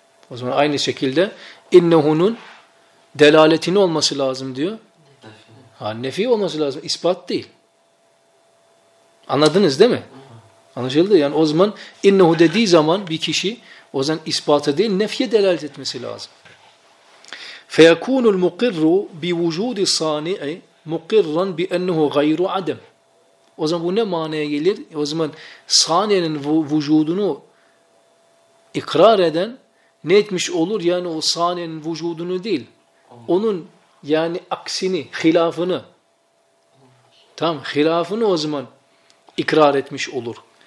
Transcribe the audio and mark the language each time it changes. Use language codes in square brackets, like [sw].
[tr] O zaman aynı şekilde innehu'nun delaletini olması lazım diyor. Ha nefi olması lazım, ispat değil. Anladınız değil mi? Anlaşıldı. Yani o zaman innehu dediği zaman bir kişi o zaman ispatı değil, nefiye delalet etmesi lazım. [ar] فيكون المقر بوجود الصانع مقرا بانه غير عدم [tr] O zaman bu ne manaya gelir? O zaman sanenin vücudunu ikrar eden ne etmiş olur? Yani o sanenin vücudunu değil. Onun yani aksini, hilafını. Tamam, hilafını o zaman ikrar etmiş olur.